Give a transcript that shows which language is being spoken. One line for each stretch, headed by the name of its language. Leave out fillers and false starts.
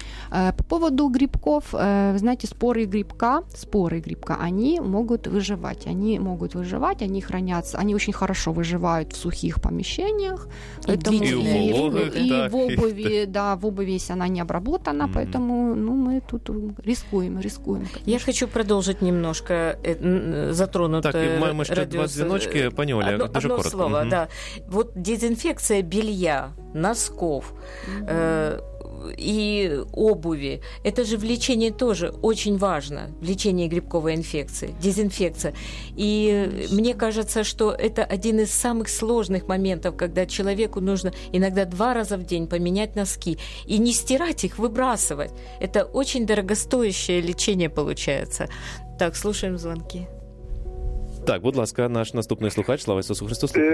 Russian: По поводу грибков, знаете, споры грибка, они могут выживать, они хранятся, они очень хорошо выживают в сухих помещениях. В обуви, если она не обработана, mm-hmm. поэтому ну, мы тут рискуем. Конечно. Я хочу продолжить немножко затронутое. Так, мы еще два звеночки, пані Оля,
Ukrainian: дуже коротко.
Russian: Одно слово, mm-hmm. да. Вот дезинфекция белья, носков, mm-hmm. И обуви. Это же в лечении тоже очень важно. В лечении грибковой инфекции. Дезинфекция. И мне кажется, что это один из самых сложных моментов, когда человеку нужно иногда два раза в день поменять носки. И не стирать их, выбрасывать. Это очень дорогостоящее лечение получается. Так, слушаем звонки.
Ukrainian: Так, будь ласка, наш наступный слухач. Слава Ісусу Христу.